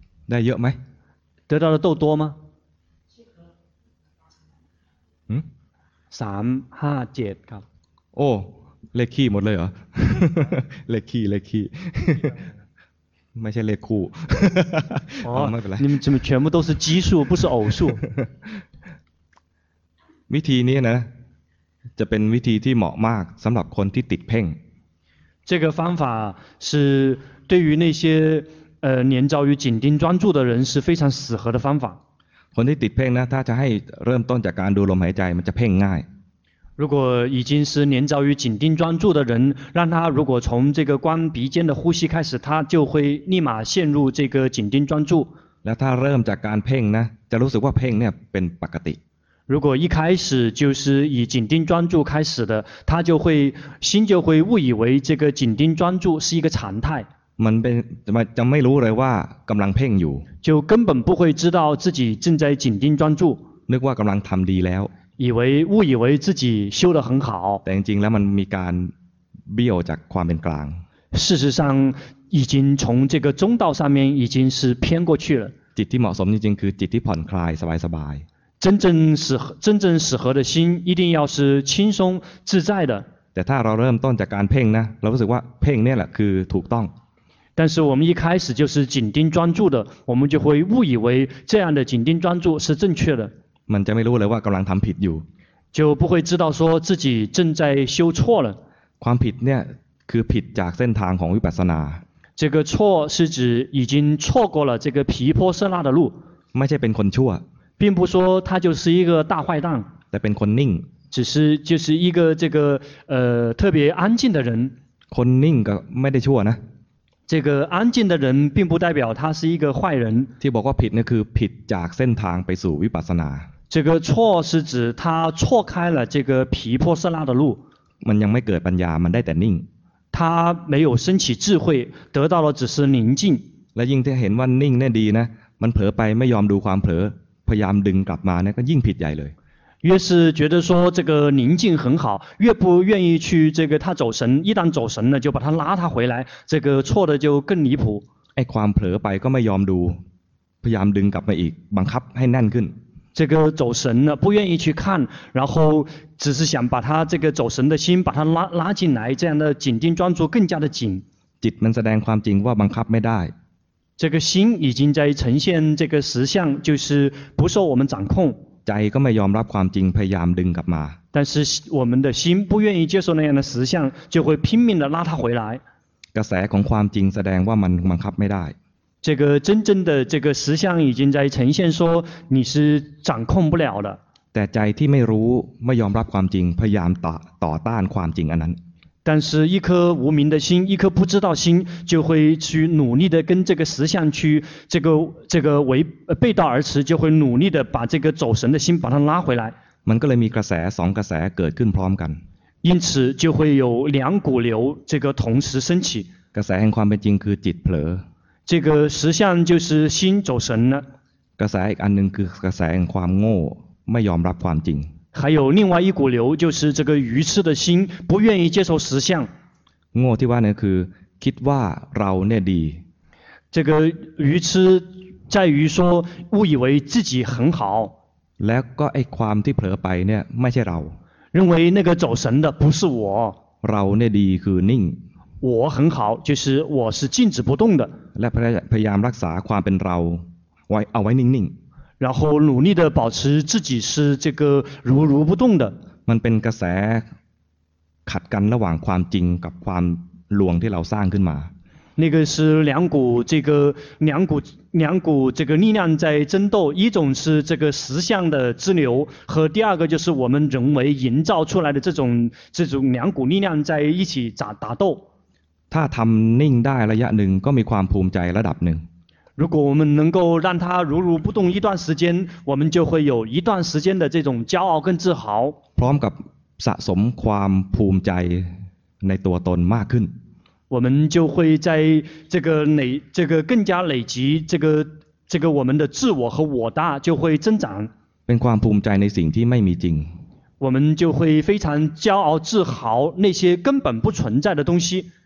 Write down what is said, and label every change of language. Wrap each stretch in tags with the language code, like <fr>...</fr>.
<th>ได้เยอะไหม</th> <zh>得到的豆多吗嗯</zh> <th>3 5 7ครับ โอ้เลขขี้หมดเลยเหรอเลขขี้เลขขี้ไม่ใช่เลขคู่</th> <zh>oh,</zh> <th>ไม่เป็นไร</th> <zh>你们怎么全部都是奇数不是偶数</zh> <th>วิธีนี้นะจะเป็นวิธีที่เหมาะมากสำหรับคนที่ติดเพ่ง</th> <zh>这个方法是对于那些黏着于紧盯专注的人是非常适合的方法</zh> <th>คนที่ติดเพ่งนะถ้าจะให้เริ่มต้นจากการดูลมหายใจมันจะเพ่งง่าย</th> <zh>如果已经是黏着于紧盯专注的人让他如果从这个关鼻尖的呼吸开始他就会立马陷入这个紧盯专注</zh> <th>แล้วถ้าเริ่มจากการเพ่งนะจะรู้สึกว่าเพ่งเนี่ยเป็นปกติ</th> <zh>如果一开始就是以紧盯专注开始的他就会心就会误以为这个紧盯专注是一个常态</zh> <th>มันเป็นจะไม่รู้เลยว่ากำลังเพ่งอยู่</th> <zh>就根本不会知道自己正在紧盯专注</zh> <th>นึกว่ากำลังทำดีแล้ว</th> <zh>以为误以为自己修得很好</zh> <th>แต่จริงแล้วมันมีการเบี้ยวจากความเป็นกลาง</th> <zh>事实上已经从这个中道上面已经是偏过去了</zh> <th>จิตที่เหมาะสมจริงๆคือจิตที่ผ่อนคลายสบายสบาย</th> <zh>真正适合的心一定要是轻松自在的</zh> <th>แต่ถ้าเราเริ่มต้นจากการเพ่งนะเรารู้สึกว่าเพ่งนี่แหละคือถูกต้อง</th> <zh>但是我们一开始就是紧盯专注的我们就会误以为这样的紧盯专注是正确的</zh> <th>มันจะไม่รู้เลยว่ากำลังทำผิดอยู่</th> <zh>就不会知道说自己正在修错了</zh> <th>ความผิดเนี่ยคือผิดจากเส้นทางของวิปัสสนา</th> <zh>这个错是指已经错过了这个毗婆舍那的路</zh> <th>ไม่ใช่เป็นคนชั่ว</th> <zh>并不说他就是一个大坏蛋</zh> <th>แต่เป็นคนนิ่ง</th> <zh>只是就是一个这个特别安静的人</zh> <th>คนนิ่งก็ไม่ได้ชั่วนะ</th> <zh>这个安静的人并不代表他是一个坏人</zh> <th>ที่บอกว่าผิดเนี่ยคือผิดจากเส้นทางไปสู่วิปัสสนา</th> <zh>这个错是指他错开了这个毗婆舍那的路</zh> <th>มันยังไม่เกิดปัญญามันได้แต่นิ่ง</th> <zh>他没有升起智慧得到了只是宁静</zh> <th>และยิ่งถ้าเห็นว่านิ่งเนี่ยดีนะมันเผลอไปไม่ยอมดูความเผลอพยายามดึงกลับมาเนี่ยก็ยิ่งผิดใหญ่เลย</th> <zh>越是觉得说这个宁静很好越不愿意去这个他走神一旦走神了就把他拉他回来这个错的就更离谱</zh> <th>ไอ้ความเผลอไปก็ไม่ยอมดูพยายามดึงกลับมาอีกบังคับให้แน่นขึ้น</th> <zh>这个走神了不愿意去看然后只是想把他这个走神的心把他拉进来这样的紧盯专注更加的紧</zh> <th>จิตมันแสดงความจริงว่าบังคับไม่ได้</th> <zh>这个心已经在呈现这个实相就是不受我们掌控</zh> <th>ใจก็ไม่ยอมรับความจริงพยายามดึงกลับมา</th> <zh>但是我们的心不愿意接受那样的实相就会拼命的拉他回来</zh> <th>กระแสของความจริงแสดงว่ามันบังคับไม่ได้</th> <zh>这个真正的这个实相已经在呈现说你是掌控不了的</zh> <th>แต่ใจที่ไม่รู้ไม่ยอมรับความจริงพยายามต่อต้านความจริงอันนั้น</th> <zh>但是一颗无明的心一颗不知道心就会去努力的跟这个实相去这个为背道而驰就会努力的把这个走神的心把它拉回来</zh> <th>มันก็เลยมีกระแสสองกระแสเกิดขึ้นพร้อมกัน</th> <zh>因此就会有两股流这个同时升起</zh> <th>กระแสแห่งความเป็นจริงคือจิตเผลอ</th> <zh>这个实相就是心走神了</zh> <th>กระแสอีกอันนึงคือกระแสแห่งความโง่ไม่ยอมรับความจริง</th> <zh>还有另外一股流就是这个愚痴的心不愿意接受实相</zh> <th>โง่ที่ว่านั้นคือคิดว่าเราเนี่ยดี</th> <zh>这个愚痴在于说误以为自己很好</zh> <th>แล้วก็ไอ้ความที่เผลอไปเนี่ยไม่ใช่เรา</th> <zh>认为那个走神的不是我</zh> <th>เราเนี่ยดีคือนิ่ง</th> <zh>我很好就是我是静止不动的</zh> <th>และพยายามรักษาความเป็นเราไว้เอาไว้นิ่ง</th> <zh>ๆ然后努力的保持自己是这个如不动的</zh> <th>มันเป็นกระแสขัดกันระหว่างความจริงกับความลวงที่เราสร้างขึ้นมา</th> <zh>那个是两股这个力量在争斗，一种是这个实相的支流，和第二个就是我们人为营造出来的这种两股力量在一起打斗。</zh> <th>ถ้าทำนิ่งได้ระยะหนึ่งก็มีความภูมิใจระดับหนึ่ง。</th> <zh>如果我们能够让它如不动一段时间，我们就会有一段时间的这种骄傲跟自豪。</zh> <th>พร้อมกับสะสมความภูมิใจในตัวตนมากขึ้น。</th> <zh>我们就会在这个更加累积这个我们的自我和我大就会增长。</zh> <th>เป็นความภูมิใจในสิ่งที่ไม่มีจริง。</th> <zh>我们就会非常骄傲自豪那些根本不存在的东西。</zh>